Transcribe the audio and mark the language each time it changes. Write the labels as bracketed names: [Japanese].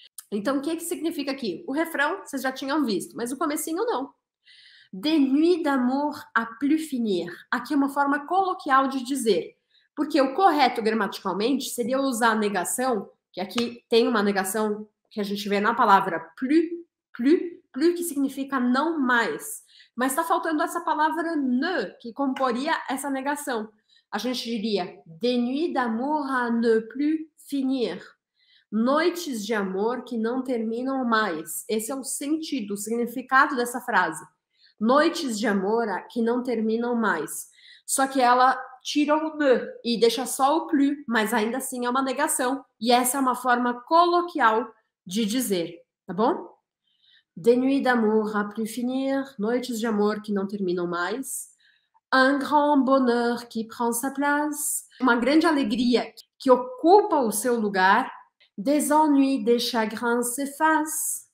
[Portuguese] Então, o que, que significa aqui? O refrão, vocês já tinham visto, mas o comecinho não. [French] Des nuits d'amour à plus finir. [Portuguese] Aqui é uma forma coloquial de dizer. Porque o correto gramaticalmente seria usar a negação, que aqui tem uma negação que a gente vê na palavra plus, que significa não mais. Mas está faltando essa palavra ne, que comporia essa negação. A gente diria, [French] des nuits d'amour à ne plus finir. [Portuguese] Noites de amor que não terminam mais. Esse é o sentido, o significado dessa frase. Noites de amor que não terminam mais. Só que ela tira o ne e deixa só o plus, mas ainda assim é uma negação. E essa é uma forma coloquial de dizer, tá bom? [French] Des nuits d'amour à plus finir. [Portuguese] Noites de amor que não terminam mais. [French] Un grand bonheur qui prend sa place. [Portuguese] Uma grande alegria que ocupa o seu lugar. [French] Des ennuis, des chagrins s'effacent.